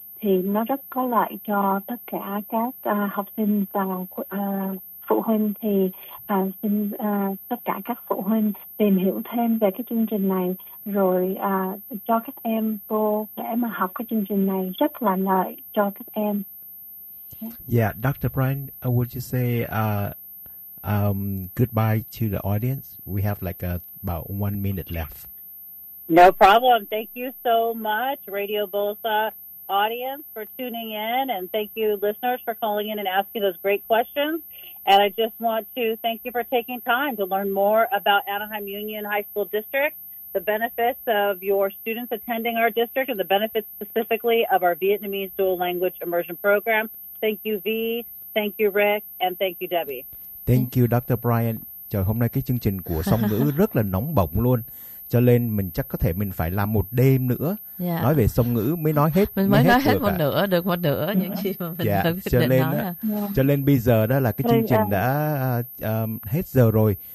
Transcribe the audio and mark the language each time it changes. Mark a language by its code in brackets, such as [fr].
[vi] Thì nó rất có lợi cho tất cả các học sinh và phụ huynh. Thì xin tất cả các phụ huynh tìm hiểu thêm về cái chương trình này. Rồi cho các em vô để mà học cái chương trình này rất là lợi cho các em. Dạ, Dr. [en] Brian, would you say goodbye to the audience? We have like about 1 minute left. No problem. Thank you so much, Radio Bolsa audience, for tuning in. And thank you, listeners, for calling in and asking those great questions. And I just want to thank you for taking time to learn more about Anaheim Union High School District, the benefits of your students attending our district, and the benefits specifically of our Vietnamese dual language immersion program. Thank you, V. Thank you, Rick. And thank you, Debbie. Thank you, Dr. Brian. [vi] Trời, hôm nay cái chương trình của Song Ngữ rất là nóng bỏng luôn. Cho nên mình chắc có thể mình phải làm một đêm nữa. [en] Yeah. [vi] Nói về song ngữ mới nói hết. Mình mới nói hết một nửa, được một nửa những gì mà mình cho nên nói. Cho nên bây giờ đó là cái chương trình đã hết giờ rồi.